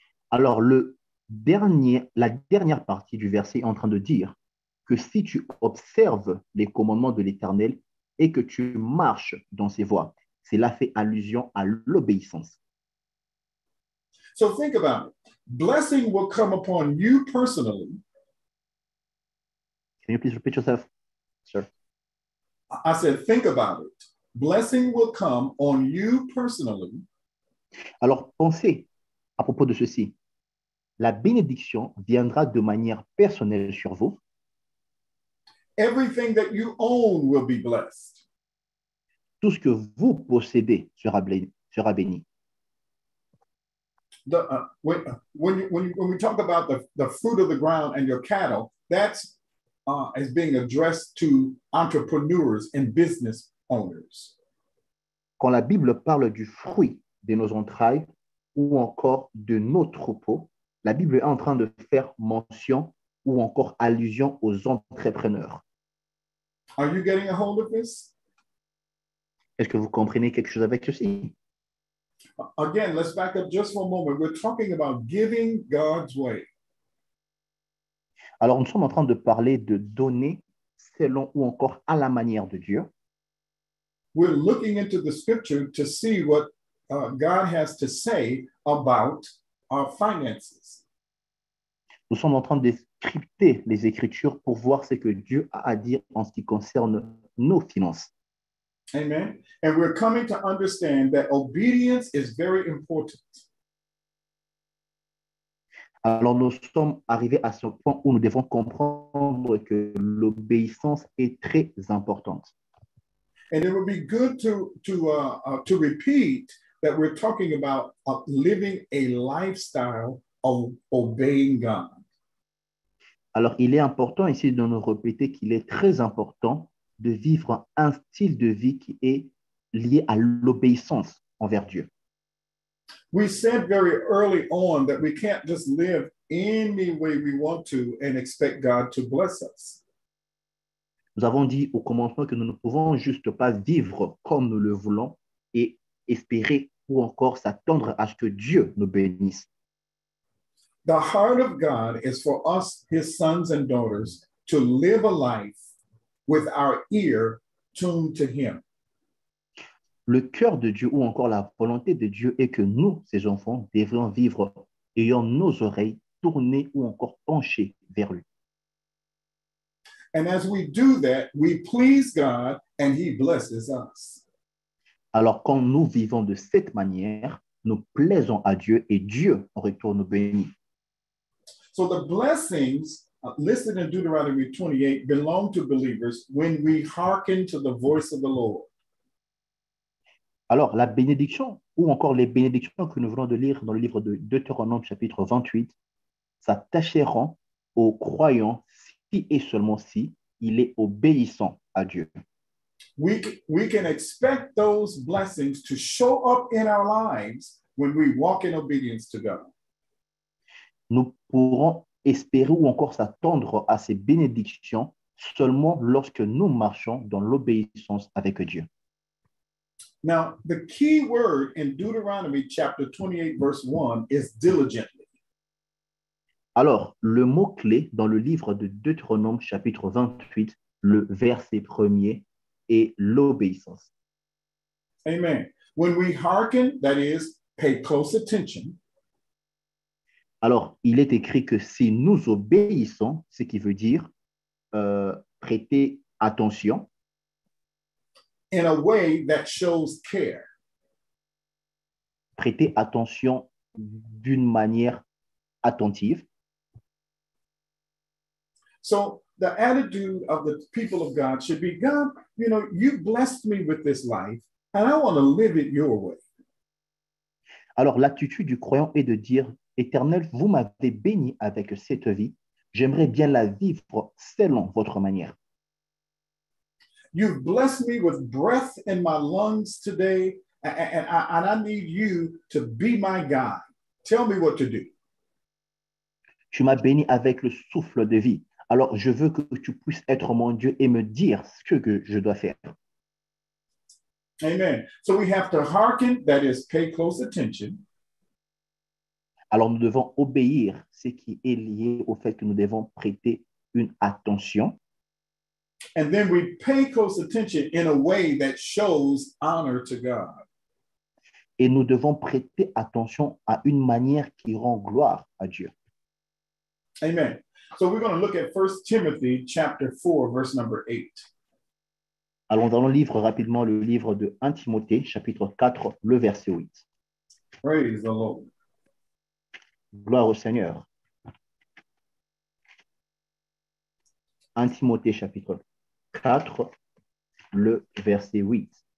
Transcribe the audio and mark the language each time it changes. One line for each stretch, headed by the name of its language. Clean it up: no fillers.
French: Alors, la dernière partie du verset est en train de dire que si tu observes les commandements de l'Éternel et que tu marches dans ses voies, cela fait allusion à l'obéissance.
English: So think about it. Blessing will come upon you personally. Can you please repeat yourself, sir? I said, think about it. Blessing will come on you personally.
French: Alors, pensez à propos de ceci. La bénédiction viendra de manière personnelle sur vous.
English: Everything that you own will be blessed.
French: Tout ce que vous possédez sera béni.
English: When we talk about the fruit of the ground and your cattle, that's as being addressed to entrepreneurs and business owners.
French: Quand la Bible parle du fruit de nos entrailles ou encore de nos troupeaux, la Bible est en train de faire mention ou encore allusion aux entrepreneurs.
English: Are you getting a hold of this?
French: Est-ce que vous comprenez quelque chose avec ceci?
English: Again, let's back up just for a moment. We're talking about giving God's way.
French: Alors, nous sommes en train de parler de donner selon ou encore à la manière de Dieu.
English: We're looking into the scripture to see what God has to say about our finances.
French: Nous sommes en train de scripter les Écritures pour voir ce que Dieu a à dire en ce qui concerne nos finances.
English: Amen. And we're coming to understand that obedience is very important.
French: Alors, nous sommes arrivés à ce point où nous devons comprendre que l'obéissance est très importante.
English: And it would be good to repeat that we're talking about living a lifestyle of obeying God.
French: Alors, il est important ici de nous répéter qu'il est très important de vivre un style de vie qui est lié à l'obéissance envers Dieu.
English: We said very early on that we can't just live any way we want to and expect God to bless us.
French: Nous avons dit au commencement que nous ne pouvons juste pas vivre comme nous le voulons et espérer ou encore s'attendre à ce que Dieu nous bénisse.
English: The heart of God is for us, his sons and daughters, to live a life with our ear tuned to him.
French: Le cœur de Dieu ou encore la volonté de Dieu est que nous, ses enfants, devrions vivre ayant nos oreilles tournées ou encore penchées vers lui.
English: And as we do that, we please God and he blesses us.
French: Alors, quand nous vivons de cette manière, nous plaisons à Dieu et Dieu en retour nous bénit.
English: So the blessings listed in Deuteronomy 28 belong to believers when we hearken to the voice of the Lord.
French: Alors, la bénédiction ou encore les bénédictions que nous venons de lire dans le livre de Deutéronome, chapitre 28, s'attacheront aux croyants si et seulement si il est obéissant à Dieu.
English: We can expect those blessings to show up in our lives when we walk in obedience to God.
French: Nous pourrons espérer ou encore s'attendre à ces bénédictions seulement lorsque nous marchons dans l'obéissance avec Dieu.
English: Now, the key word in Deuteronomy chapter 28, verse 1 is diligently.
French: Alors, le mot-clé dans le livre de Deutéronome, chapitre 28, le verset premier est l'obéissance.
English: Amen. When we hearken, that is, pay close attention.
French: Alors, il est écrit que si nous obéissons, ce qui veut dire prêter attention,
English: In a way that shows care.
French: prêter attention d'une manière attentive.
English: So the attitude of the people of God should be, God, you know, you blessed me with this life, and I want to live it your way.
French: Alors, l'attitude du croyant est de dire, Éternel, vous m'avez béni avec cette vie. J'aimerais bien la vivre selon votre manière.
English: You've blessed me with breath in my lungs today, and I need you to be my guide. Tell me what to do.
French: Tu m'as béni avec le souffle de vie. Alors, je veux que tu puisses être mon Dieu et me dire ce que je dois faire.
English: Amen. So we have to hearken, that is, pay close attention.
French: Alors, nous devons obéir, ce qui est lié au fait que nous devons prêter une attention.
English: And then we pay close attention in a way that shows honor to God.
French: Et nous devons prêter attention à une manière qui rend gloire à Dieu.
English: Amen. So we're going to look at 1 Timothy chapter 4, verse number 8.
French: Allons dans le livre rapidement, le livre de 1 Timothée, chapitre 4, le verset 8.
English: Praise the Lord.
French: Gloire au Seigneur. 1 Timothée chapitre 4, le verset 8.